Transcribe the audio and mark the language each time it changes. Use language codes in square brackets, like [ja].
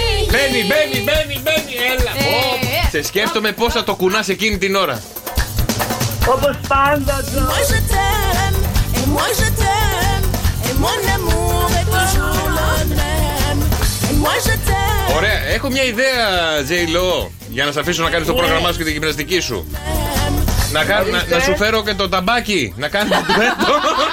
[el] Μπαίνει, μπαίνει, μπαίνει, μπαίνει. Έλα, σε σκέφτομαι πώς θα το κουνάς εκείνη την ώρα. Όπως πάντα. [fr] Moi je t'aime, moi je t'aime, mon amour est toujours le même. Moi je t'aime. [el] Ωραία, έχω μια ιδέα, Τζέι Λο, για να σε αφήσω να κάνεις το πρόγραμμά σου και την γυμναστική σου. Να σου φέρω και το ταμπάκι, να κάνεις το τουέτο.